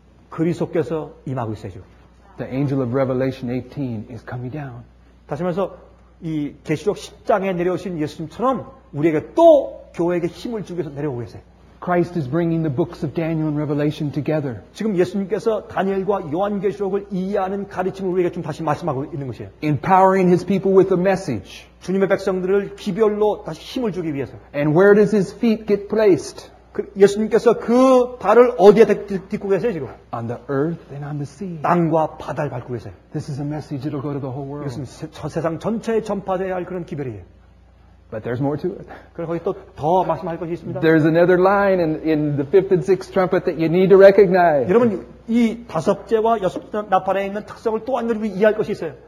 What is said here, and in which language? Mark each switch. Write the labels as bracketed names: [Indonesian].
[Korean] 그리스도께서 임하고 있어요. [English] The angel of Revelation 18 is coming down. [Korean] 다시 말해서 이 계시록 10장에 내려오신 예수님처럼 우리에게 또 교회에게 힘을 주기 위해서 내려오고 계세요. [English] Christ is bringing the books of Daniel and Revelation together. [Korean] 지금 예수님께서 다니엘과 요한계시록을 이해하는 가르침을 우리에게 좀 다시 말씀하고 있는 것이에요. [English] Empowering his people with a message. [Korean] 주님의 백성들을 기별로 다시 힘을 주기 위해서. [English] And where does his feet get placed? [Korean] 예수님께서 그 발을 어디에 딛고 계세요 지금? [English] On the earth and on the sea. [Korean] 땅과 바다를 밟고 계세요. [English] This is a message that will go to the whole world. [Korean] 이것은 세상 전체에 전파되어야 할 그런 기별이에요. [English] But there's more to it. [Korean] 그리고 거기 또 더 말씀할 것이 있습니다. [English] There's another line in the fifth and sixth trumpet that you need to recognize. [Korean] 여러분 이 다섯째와 여섯째 나팔에 있는 특성을 또 한 번 이해할 것이 있어요.